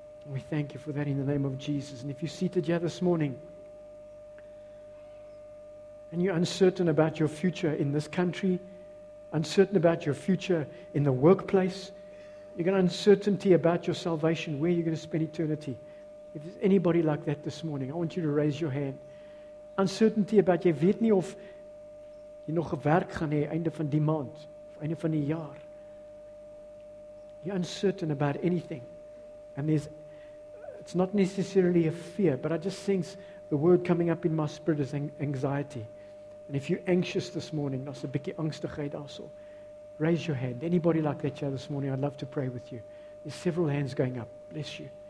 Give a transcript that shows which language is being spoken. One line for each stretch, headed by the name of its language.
English: We thank you for that in the name of Jesus. And if you're seated here this morning and you're uncertain about your future in this country, uncertain about your future in the workplace, you've got uncertainty about your salvation, where you're going to spend eternity. If there's anybody like that this morning, I want you to raise your hand. Uncertainty about
Afrikaans: jy weet nie of jy nog werk gaan hê einde van die maand of einde van die jaar.
English: You're uncertain about anything. And it's not necessarily a fear, but I just sense the word coming up in my spirit is anxiety. And if you're anxious this morning,
Afrikaans: daar's 'n bietjie angstigheid daarso.
English: Raise your hand. Anybody like that here this morning, I'd love to pray with you. There's several hands going up. Bless you.